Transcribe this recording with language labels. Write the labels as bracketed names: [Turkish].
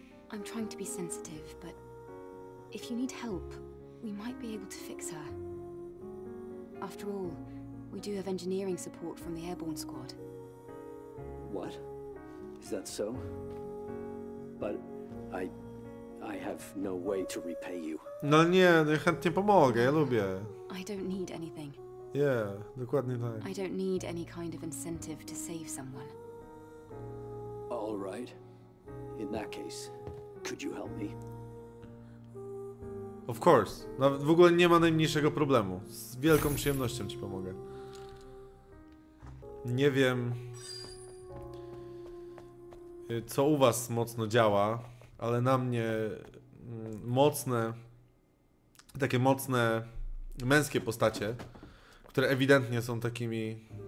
[Polish] I'm trying to be sensitive, but if you need help, we might be able to fix her. After all, we do have engineering support from the airborne squad. What? Is that so? But I have no way to repay you. No nie, no ja chętnie pomogę, ja lubię. [English] I don't need anything. [Polish] Yeah, dokładnie tak. [English] I don't need any kind of incentive to save someone. All right. In that case, could you help me? Of course. [Polish] Nawet w ogóle nie ma najmniejszego problemu. Z wielką przyjemnością ci pomogę. Nie wiem, co u was mocno działa, ale na mnie mocne, takie mocne męskie postacie, które ewidentnie są takimi,